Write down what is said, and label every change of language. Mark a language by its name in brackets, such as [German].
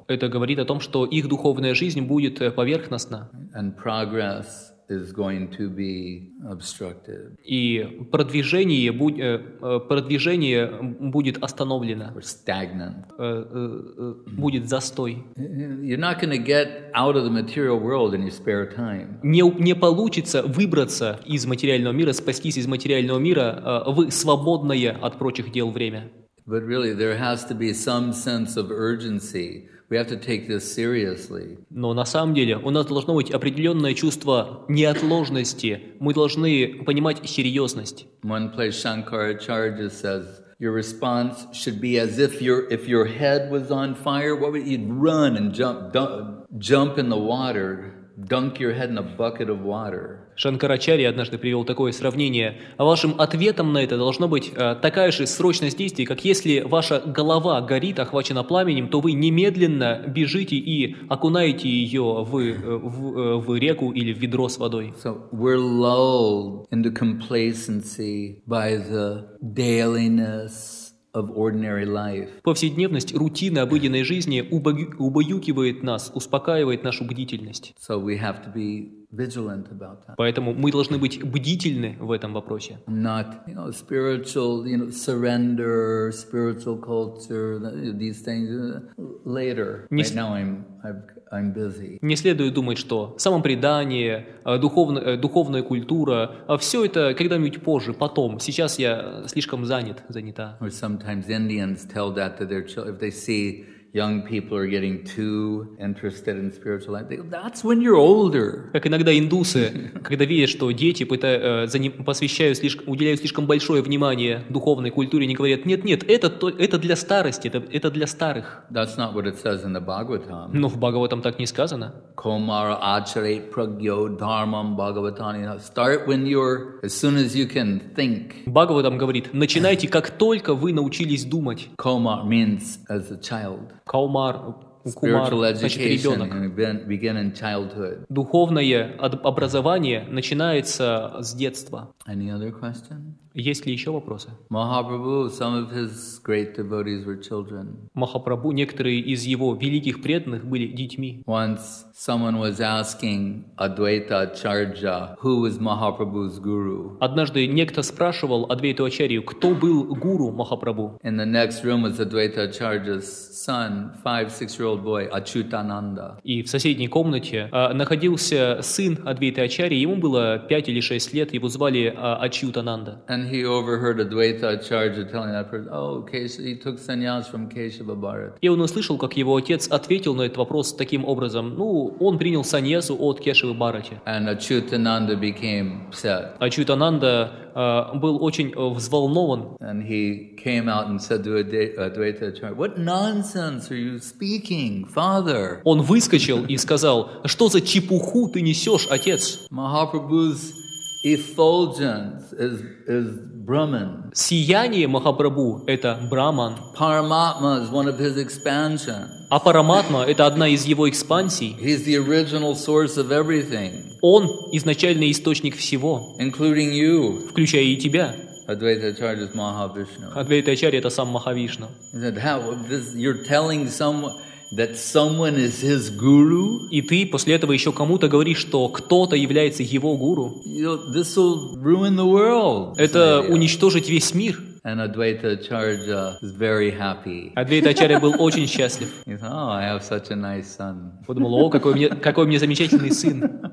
[Russian] Это говорит о том, что их духовная жизнь будет поверхностна. [English] And progress is going to be obstructed. [Russian] И продвижение будет остановлено. [English] Or stagnant. [Russian] Будет застой. [English] You're not going to get out of the material world in your spare time. [Russian] Не получится выбраться из материального мира, спастись из материального мира в свободное от прочих дел время. [English] But really, there has to be some sense of urgency. We have to take this seriously. [Russian] Но на самом деле у нас должно быть определенное чувство неотложности. Мы должны понимать серьезность. [English] One place Shankaracharya says, your response should be as if your head was on fire, what would you run and jump in the water, dunk your head in a bucket of water. [Russian] Шанкарачарья однажды привел такое сравнение. Вашим ответом на это должно быть такая же срочность действий, как если ваша голова горит, охвачена пламенем, то вы немедленно бежите и окунаете ее в реку или в ведро с водой. [English] So we're lulled into complacency by the dailiness of ordinary life. [Russian] Повседневность, рутина обыденной жизни убаюкивает нас, успокаивает нашу бдительность. [English] So we have to be vigilant about that. [Russian] Поэтому мы должны быть бдительны в этом вопросе. [English] Not, you know, spiritual, you know, surrender, spiritual culture, these things later. Right now I'm busy. [Russian] Не следует думать, что самопредание, духовная культура, все это когда-нибудь позже, потом. Сейчас я слишком занята. [English] Or sometimes Indians tell that to their children if they see young people are getting too interested in spiritual life. They go, that's when you're older. [Russian] Как иногда индусы, когда видят, что дети уделяют слишком большое внимание духовной культуре, они говорят, нет-нет, это для старости, это для старых. [English] That's not what it says in the Bhagavatam. [Russian] Но в Бхагаватам так не сказано. [Sanskrit] Komara acharet pragyo dharmam bhagavatani. [English] Start when you're, as soon as you can think. [Russian] Бхагаватам говорит, начинайте, как только вы научились думать. [English] Komara means as a child. [Sanskrit] Каумар, [English] spiritual [Sanskrit] Кумар, [English] education begin in childhood. [Russian] Духовное образование начинается с детства. [English] Any other question? [Russian] Есть ли еще вопросы? [English] Mahaprabhu, some of his great devotees were children. [Russian] Махапрабху, некоторые из его великих преданных были детьми. [English] Once someone was asking Адвайта Ачарджа, who was Mahaprabhu's guru. [Russian] Однажды некто спрашивал Адвайту Ачарью, кто был гуру Махапрабху. [English] In the next room was Адвайта Ачарджа's son, 5-6-year-old boy, Ачютананда. [Russian] И в соседней комнате находился сын Адвайты Ачарьи, ему было 5 или 6 лет, его звали Ачютананда. [English] And he overheard Advaita Acharya telling that person, "Oh, Kesha, he took sannyas from Keshava Bharat." [Russian] И он услышал, как его отец ответил на этот вопрос таким образом: "Ну, он принял саньясу от Кешавы Бхарати." [English] And Ачютананда became upset. [Russian] Ачютананда был очень взволнован. [English] And he came out and said to Advaita Acharya, "What nonsense are you speaking, father?" [Russian] Он выскочил и сказал: "Что за чепуху ты несешь, отец?" [English] Mahaprabhu's effulgence is Brahman. [Russian] Сияние Махапрабху – это Брахман. [English] Paramatma is one of his expansions. [Russian] А Параматма – это одна из его экспансий. [English] He's the original source of everything. [Russian] Он – изначальный источник всего. [English] Including you. [Russian] Включая и тебя. [English] Advaita Acharya is Mahavishnu. [Russian] Advaita Acharya – это сам Махавишна. [English] He said, how, this, you're telling someone that someone is his guru? [Russian] И ты после этого еще кому-то говоришь, что кто-то является его гуру? [English] You know, this will ruin the world. [Russian] Это уничтожить весь мир. [English] And Advaita Acharya is very happy. [Russian] Адвайта Ачарья был очень счастлив. [English] He thought, oh, I have such a nice son. [Russian] Подумал, о, какой мне замечательный сын.